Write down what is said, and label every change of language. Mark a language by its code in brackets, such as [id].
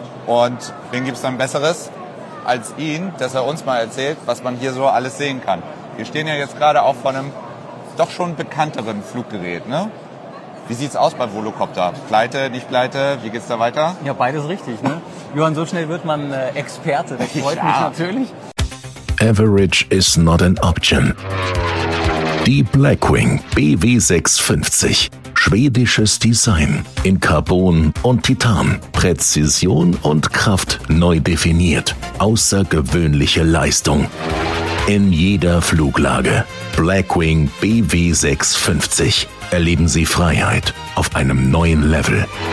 [de] Und wen gibt es dann Besseres als ihn, dass er uns mal erzählt, was man hier so alles sehen kann. Wir stehen ja jetzt gerade auch vor einem doch schon bekannteren Fluggerät, ne? Wie sieht's aus beim Volocopter? Pleite, nicht pleite? Wie geht's da weiter? Ja, beides richtig, ne? Johann, so schnell wird man Experte. Das freut mich natürlich. [en] Average is not an option. [de] Die Blackwing BW650. Schwedisches Design in Carbon und Titan. Präzision und Kraft neu definiert. Außergewöhnliche Leistung. In jeder Fluglage. Blackwing BW650. Erleben Sie Freiheit auf einem neuen Level.